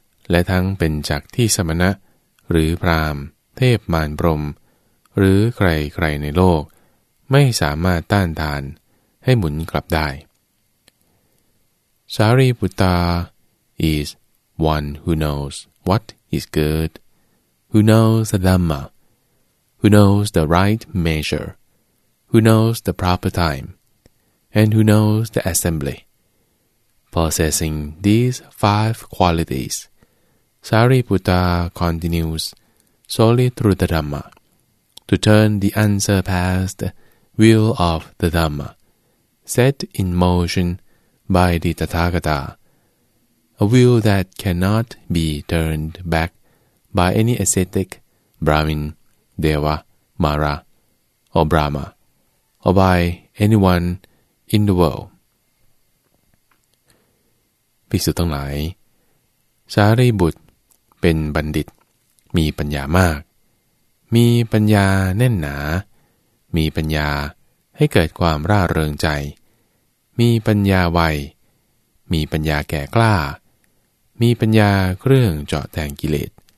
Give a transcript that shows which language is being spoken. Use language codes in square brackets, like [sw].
[th] และทั้งเป็นจักรที่สมณะหรือพราหมณ์เทพมารพรหมหรือใครๆในโลกไม่สามารถต้านทานให้หมุนกลับได้ [en] Sariputta is one who knows what is good, who knows the Dhamma, who knows the right measure, who knows the proper time, and who knows the assembly. Possessing these five qualities, Sariputta continues solely through the Dhamma to turn the unsurpassed wheel of the Dhamma, set in motion by the Tathagata, a wheel that cannot be turned back by any ascetic, Brahmin, Deva, Mara, or Brahma, or by anyone in the world. [th] ภิกษุทั้งหลายสารีบุตรเป็นบัณฑิตมีปัญญามากมีปัญญาแน่นหนามีปัญญาให้เกิดความร่าเริงใจมีปัญญาไวมีปัญญาแก่กล้ามีปัญญาเครื่องเจาะแทงกิเลส